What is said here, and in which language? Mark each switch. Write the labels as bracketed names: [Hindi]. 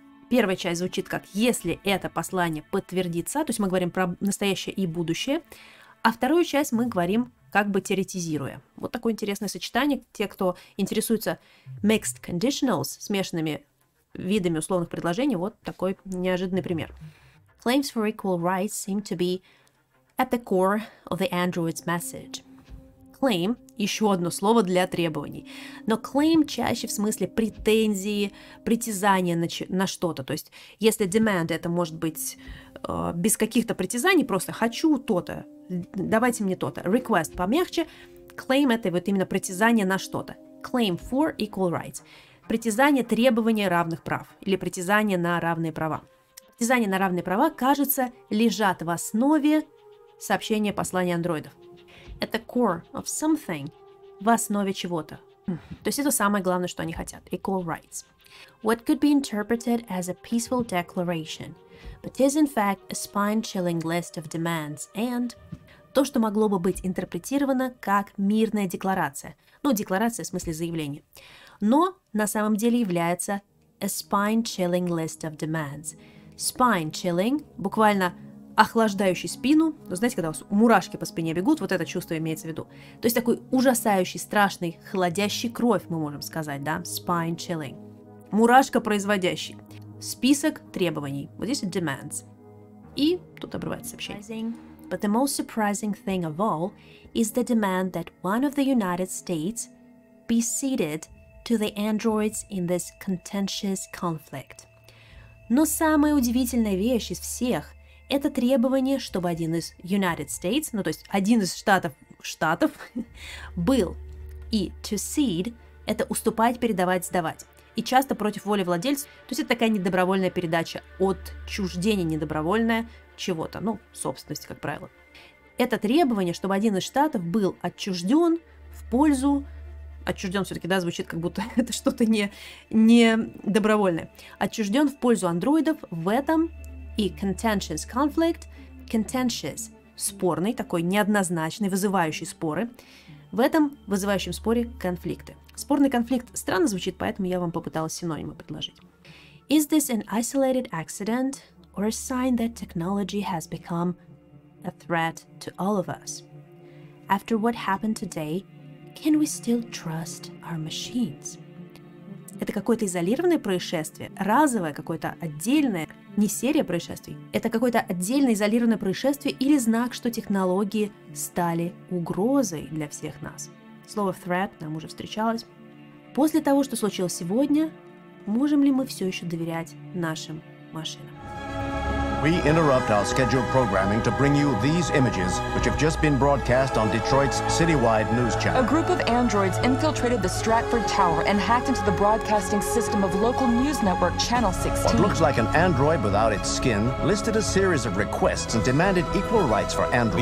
[Russian] Первая часть звучит как «если это послание подтвердится», то есть мы говорим про настоящее и будущее, а вторую часть мы говорим как бы теоретизируя. Вот такое интересное сочетание. Те, кто интересуется mixed conditionals, смешанными видами условных предложений. Вот такой неожиданный пример. [English] Claims for equal rights seem to be at the core of the android's message. [Russian] Claim – еще одно слово для требований. Но claim чаще в смысле претензии, притязания на что-то. То есть если demand – это может быть без каких-то притязаний, просто хочу то-то, давайте мне то-то. Request – помягче. Claim – это вот именно притязание на что-то. [English] Claim for equal rights [Russian] – притязание требования равных прав или притязание на равные права. Притязание на равные права, кажется, лежат в основе сообщения послания андроидов. [English] At the core of something, [Russian] в основе чего-то. То есть это самое главное, что они хотят. [English] Equal rights. What could be interpreted as a peaceful declaration, but is in fact a spine-chilling list of demands and... [Russian] То, что могло бы быть интерпретировано как мирная декларация. Ну, декларация в смысле заявления. Но на самом деле является [English] a spine-chilling list of demands. [Russian] Spine-chilling, буквально охлаждающий спину. Ну, знаете, когда у вас мурашки по спине бегут, вот это чувство имеется в виду. То есть такой ужасающий, страшный, холодящий кровь, мы можем сказать, да? Spine-chilling. Мурашка-производящий. Список требований. Вот здесь demands. И тут обрывается сообщение. [English] But the most surprising thing of all is the demand that one of the United States be ceded to the androids in this contentious conflict. [Russian] Но самая удивительная вещь из всех – это требование, чтобы один из United States, ну то есть один из штатов, был. И to cede – это уступать, передавать, сдавать. И часто против воли владельцев, то есть это такая недобровольная передача, отчуждение недобровольное чего-то, ну, собственности, как правило. Это требование, чтобы один из штатов был отчужден в пользу, отчужден все-таки, да, звучит, как будто это что-то не добровольное. Отчужден в пользу андроидов в этом и [English] contentious conflict, [Russian] contentious, спорный, такой неоднозначный, вызывающий споры, в этом вызывающем споре конфликты. Спорный конфликт странно звучит, поэтому я вам попыталась синонимы предложить. [English] Is this an isolated accident or a sign that technology has become a threat to all of us? After what happened today, can we still trust our machines? [Russian] Это какое-то изолированное происшествие, разовое какое-то отдельное, не серия происшествий. Это какое-то отдельное изолированное происшествие или знак, что технологии стали угрозой для всех нас. Слово threat нам уже встречалось. После того, что случилось сегодня, можем ли мы все еще доверять нашим машинам? [English] We interrupt our scheduled programming to bring you these images, which have just been broadcast on Detroit's citywide news channel. A group of androids infiltrated the Stratford Tower and hacked into the broadcasting system of local news network Channel 16. What looks like an android without its skin listed a series of requests and demanded equal rights for androids.